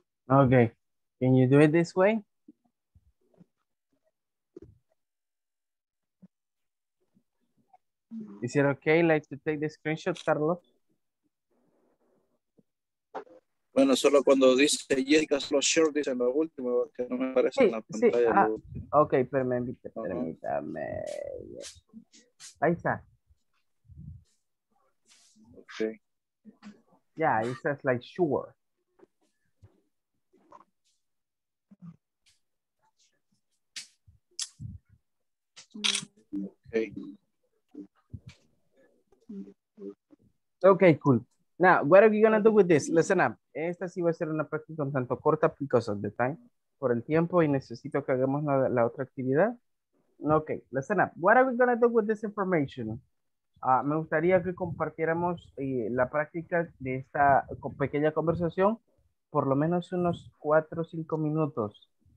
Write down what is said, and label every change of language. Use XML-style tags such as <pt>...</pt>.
<en>Okay, can you do it this way? Is it okay, like, to take the screenshot, Carlos?</en> <es>Bueno, solo cuando dice Jessica, solo short dice lo último, que no me parece sí, en la pantalla. Sí. Ah, okay, permítame. Yes. Ahí está.</es> <en>Okay. Yeah, it says, like, sure. Okay. Okay, cool. Now, what are we gonna do with this? Listen up.</en> <es>Esta sí va a ser una práctica un tanto corta</es> <en>because of the time.</en> <es>Por el tiempo y necesito que hagamos la otra actividad.</es> <en>Okay, listen up. What are we gonna do with this information?</en> <es>Me gustaría que compartiéramos la práctica de esta pequeña conversación por lo menos unos 4 o 5 minutos.</es>